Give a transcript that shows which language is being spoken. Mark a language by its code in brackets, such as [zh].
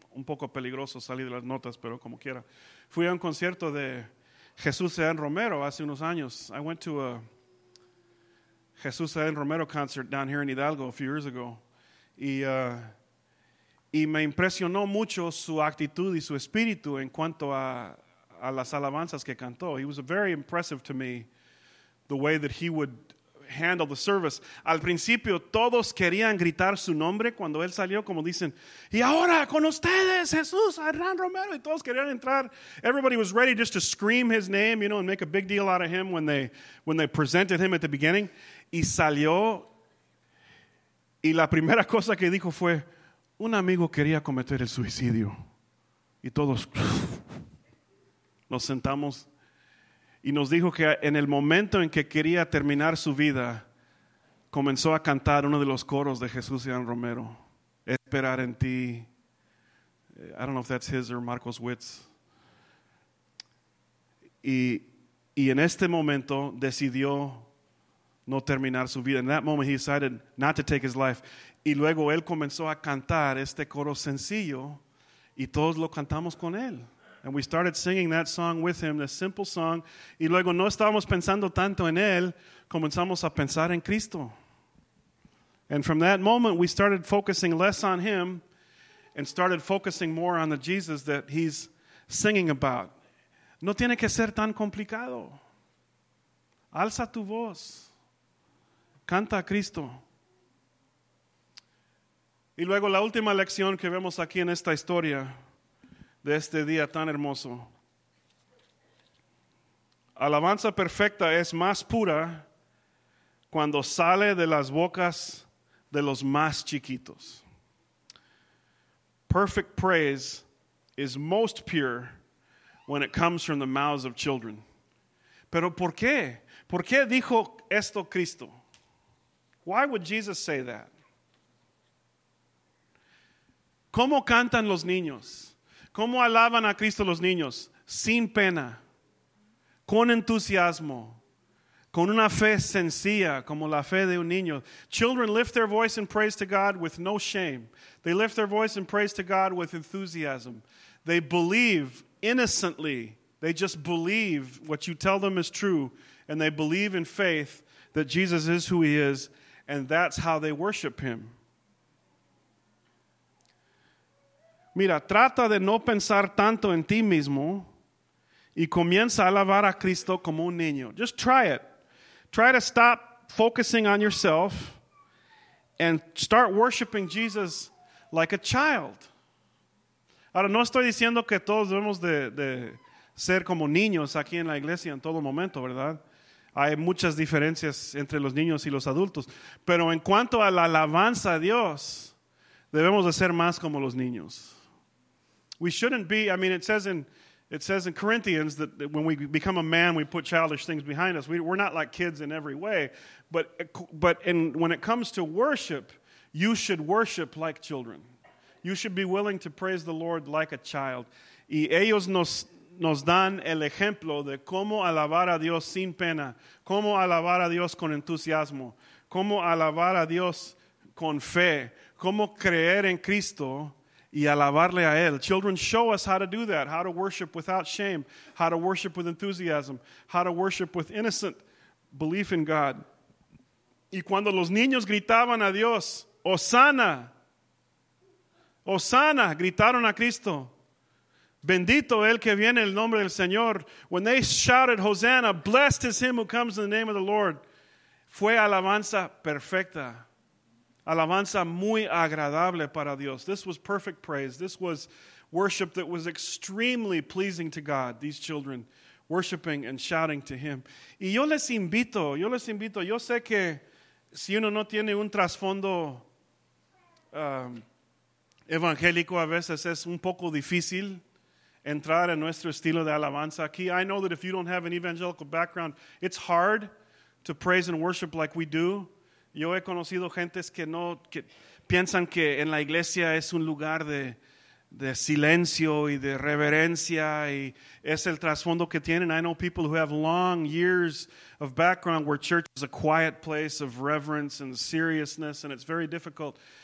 [es] Un poco peligroso salir de las notas, pero como quiera. Fui a un concierto de Jesús Sean Romero hace unos años. [en] I went to a Jesús Sean Romero concert down here in Hidalgo a few years ago. [es] Y me impresionó mucho su actitud y su espíritu en cuanto a las alabanzas que cantó. [en] He was very impressive to me, the way that he would handle the service. [es] Al principio, todos querían gritar su nombre cuando él salió, como dicen, y ahora con ustedes, Jesús, Hernán Romero, y todos querían entrar. [en] Everybody was ready just to scream his name, you know, and make a big deal out of him when they presented him at the beginning. [es] Y salió, y la primera cosa que dijo fue, un amigo quería cometer el suicidio. Y todos nos sentamos y nos dijo que en el momento en que quería terminar su vida, comenzó a cantar uno de los coros de Jesús y Ann Romero. Esperar en ti. [en] I don't know if that's his or Marcos Witt's. [es] Y en este momento decidió no terminar su vida. [en] In that moment he decided not to take his life. [es] Y luego él comenzó a cantar este coro sencillo y todos lo cantamos con él. [en] And we started singing that song with him, the simple song. [es] Y luego no estábamos pensando tanto en él, comenzamos a pensar en Cristo. [en] And from that moment we started focusing less on him and started focusing more on the Jesus that he's singing about. [es] No tiene que ser tan complicado. Alza tu voz. Canta a Cristo. Y luego la última lección que vemos aquí en esta historia de este día tan hermoso. Alabanza perfecta es más pura cuando sale de las bocas de los más chiquitos. [en] Perfect praise is most pure when it comes from the mouths of children. [es] Pero ¿por qué? ¿Por qué dijo esto Cristo? [en] Why would Jesus say that? [es] ¿Cómo cantan los niños? ¿Cómo alaban a Cristo los niños? Sin pena, con entusiasmo, con una fe sencilla, como la fe de un niño. [en] Children lift their voice in praise to God with no shame. They lift their voice in praise to God with enthusiasm. They believe innocently. They just believe what you tell them is true, and they believe in faith that Jesus is who he is, and that's how they worship him. [es] Mira, trata de no pensar tanto en ti mismo y comienza a alabar a Cristo como un niño. [en] Just try it. Try to stop focusing on yourself and start worshiping Jesus like a child. [es] Ahora, no estoy diciendo que todos debemos de ser como niños aquí en la iglesia en todo momento, ¿verdad? Hay muchas diferencias entre los niños y los adultos. Pero en cuanto a la alabanza a Dios, debemos de ser más como los niños. [en] We shouldn't be, I mean, it says in Corinthians that when we become a man, we put childish things behind us. We're not like kids in every way. But when it comes to worship, you should worship like children. You should be willing to praise the Lord like a child. [es] Y ellos nos dan el ejemplo de cómo alabar a Dios sin pena, cómo alabar a Dios con entusiasmo, cómo alabar a Dios con fe, cómo creer en Cristo y alabarle a él. [en] Children, show us how to do that, how to worship without shame, how to worship with enthusiasm, how to worship with innocent belief in God. [es] Y cuando los niños gritaban a Dios, Hosanna, Hosanna, gritaron a Cristo, bendito el que viene en el nombre del Señor. [en] When they shouted Hosanna, blessed is him who comes in the name of the Lord. [es] Fue alabanza perfecta. Alabanza muy agradable para Dios. [en] This was perfect praise. This was worship that was extremely pleasing to God. These children worshiping and shouting to him. [es] Y yo les invito. Yo sé que si uno no tiene un trasfondo evangélico, a veces es un poco difícil entrar en nuestro estilo de alabanza aquí. [en] I know that if you don't have an evangelical background, it's hard to praise and worship like we do. [es] Yo he conocido gentes que no, que piensan que en la iglesia es un lugar de silencio y de reverencia y es el trasfondo que tienen. [en] I know people who have long years of background where church is a quiet place of reverence and seriousness, and it's very difficult.